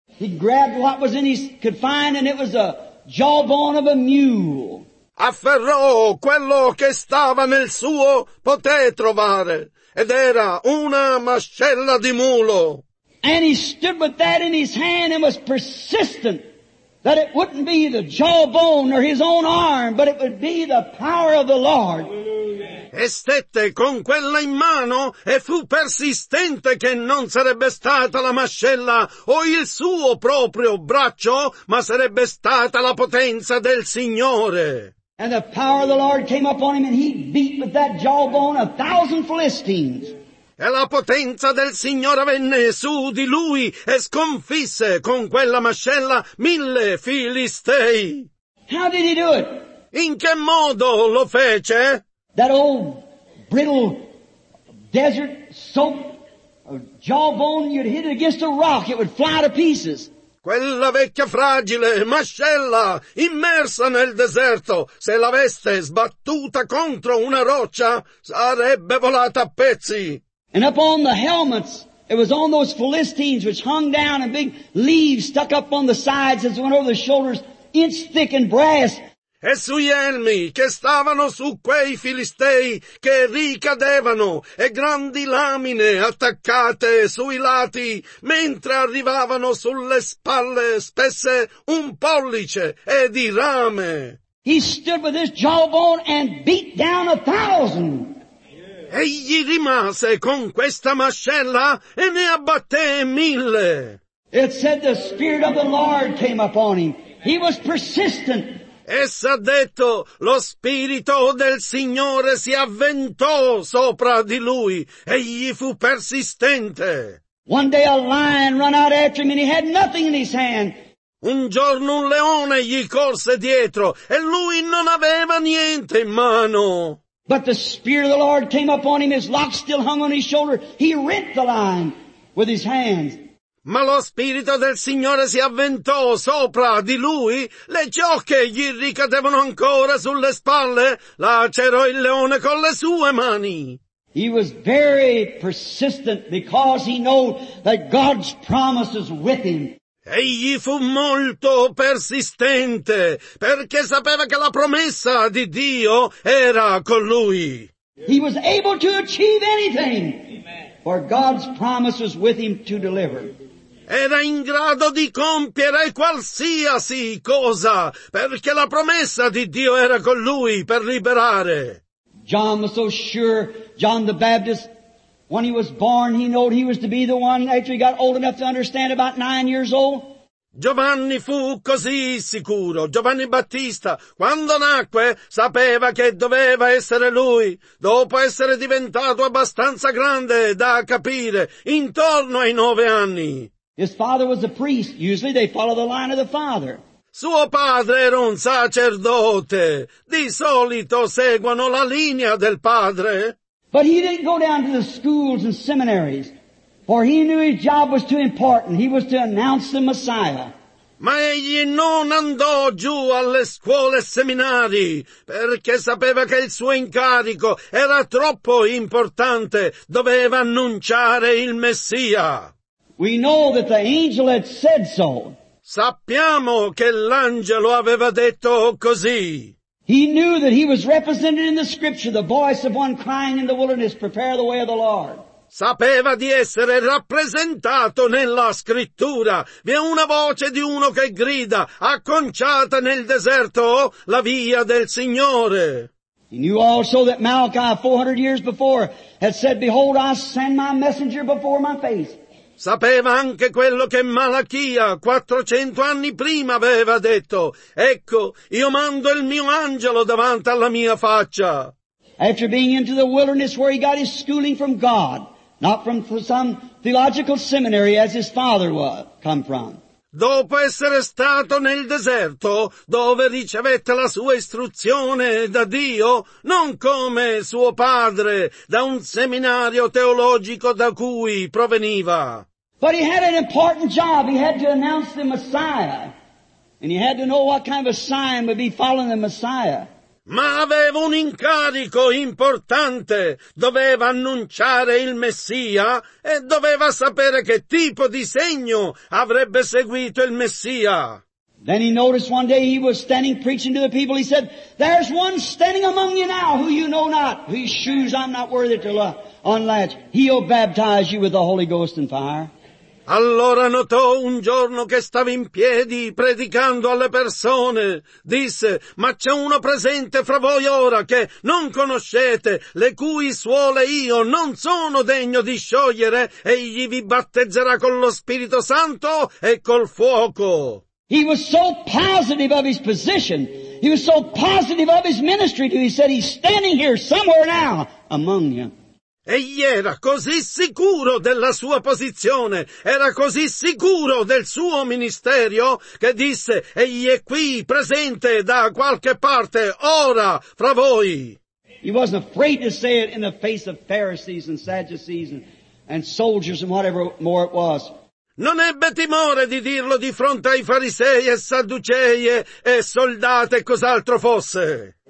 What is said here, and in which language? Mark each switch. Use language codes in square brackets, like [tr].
[en] He grabbed what was in his confine, and it was a jawbone of a mule. [it] Afferrò quello che stava nel suo poté trovare, ed era una mascella di mulo. [en] And he stood with that in his hand and was persistent that it wouldn't be the jawbone or his own arm, but it would be the power of the Lord. [it] E stette con quella in mano e fu persistente che non sarebbe stata la mascella o il suo proprio braccio, ma sarebbe stata la potenza del Signore. [en] And the power of the Lord came upon him, and he beat with that jawbone 1,000 Philistines. [it] E la potenza del Signore venne su di lui e sconfisse con quella mascella 1,000 Filistei. [en] How did he do it? [it] In che modo lo fece? [en] That old brittle desert soaked jawbone, you'd hit it against a rock, it would fly to pieces. [it] Quella vecchia fragile mascella immersa nel deserto, se l'aveste sbattuta contro una roccia, sarebbe volata a pezzi. [en] And up on the helmets, it was on those Philistines which hung down and big leaves stuck up on the sides as went over the shoulders, inch thick in brass. [it] E sugli elmi che stavano su quei Filistei che ricadevano e grandi lamine attaccate sui lati mentre arrivavano sulle spalle spesse un pollice e di rame. [en] He stood with his jawbone and beat down 1,000. [it] Egli rimase con questa mascella e ne abbatté 1,000. [en] It said the Spirit of the Lord came upon him. He was persistent. [it] Essa ha detto, lo Spirito del Signore si avventò sopra di lui, e gli fu persistente. [en] One day a lion ran out after him and he had nothing in his hand. [it] Un giorno un leone gli corse dietro, e lui non aveva niente in mano. [en] But the Spirit of the Lord came upon him, his locks still hung on his shoulder, he rent the lion with his hands. [it] Ma lo Spirito del Signore si avventò sopra di lui, le ciocche gli ricadevano ancora sulle spalle, lacerò il leone con le sue mani. [en] He was very persistent because he knew that God's promise is with him. [it] Egli fu molto persistente perché sapeva che la promessa di Dio era con lui. [en] He was able to achieve anything, for God's promise was with him to deliver. [it] Era in grado di compiere qualsiasi cosa, perché la promessa di Dio era con lui per liberare. [en] John was so sure, John the Baptist, when he was born, he knew he was to be the one after he got old enough to understand about 9 years old. [it] Giovanni fu così sicuro, Giovanni Battista, quando nacque, sapeva che doveva essere lui, dopo essere diventato abbastanza grande da capire, intorno ai 9 anni. [en] His father was a priest. Usually they follow the line of the father. [it] Suo padre era un sacerdote. Di solito seguono la linea del padre. [en] But he didn't go down to the schools and seminaries, for he knew his job was too important. He was to announce the Messiah. [it] Ma egli non andò giù alle scuole e seminari, perché sapeva che il suo incarico era troppo importante. Doveva annunciare il Messia. [en] We know that the angel had said so. [it] Sappiamo che l'angelo aveva detto così. [en] He knew that he was represented in the scripture, the voice of one crying in the wilderness, prepare the way of the Lord. [it] sapeva di essere rappresentato nella scrittura. Vi è una voce di uno che grida, acconciate nel deserto la via del Signore. [en] He knew also that Malachi 400 years before had said, behold, I send my messenger before my face. [it] Sapeva anche quello che Malachia 400 anni prima aveva detto. Ecco, io mando il mio angelo davanti alla mia faccia. [en] After being into the wilderness where he got his schooling from God, not from some theological seminary as his father was come from. [it] Dopo essere stato nel deserto, dove ricevette la sua istruzione da Dio, non come suo padre, da un seminario teologico da cui proveniva. [en] But he had an important job. He had to announce the Messiah. And he had to know what kind of a sign would be following the Messiah. [it] Ma aveva un incarico importante, doveva annunciare il Messia e doveva sapere che tipo di segno avrebbe seguito il Messia. [en] Then he noticed one day he was standing preaching to the people, he said, there's one standing among you now who you know not, whose shoes I'm not worthy to unlatch, he'll baptize you with the Holy Ghost and fire. [it] Allora notò un giorno che stava in piedi predicando alle persone. Disse, ma c'è uno presente fra voi ora che non conoscete, le cui suole io non sono degno di sciogliere, egli vi battezzerà con lo Spirito Santo e col fuoco. [en] He was so positive of his position, he was so positive of his ministry, he said he's standing here somewhere now among you. [it] Egli era così sicuro della sua posizione, era così sicuro del suo ministerio, che disse, egli è qui, presente da qualche parte, ora, fra voi. [en] He wasn't afraid to say it in the face of Pharisees and Sadducees and soldiers and whatever more it was. [it] Non ebbe timore di dirlo di fronte ai farisei e sadducei e soldati e cos'altro fosse.